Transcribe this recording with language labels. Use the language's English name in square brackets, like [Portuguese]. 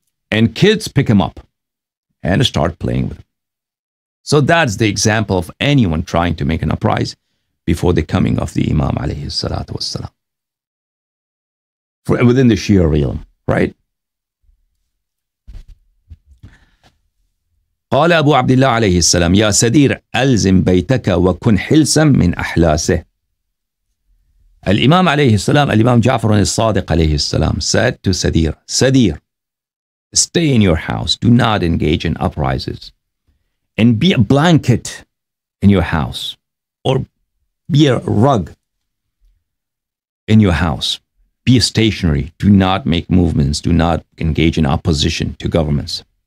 [English] And kids pick him up and start playing with him. So that's the example of anyone trying to make an uprising before the coming of the Imam alayhi salatu wassalam. Within the Shia realm, right? [Arabic] قال أبو عبد الله عليه السلام يا سدير ألزم بيتك وكن حلسا من أحلاسه. [English] Al-Imam alayhi salam, Al-Imam Jafar al-Sadiq alayhi salam said to Sadir, Sadir, stay in your house, do not engage in uprisings, and be a blanket in your house, or be a rug in your house, be stationary, do not make movements, do not engage in opposition to governments.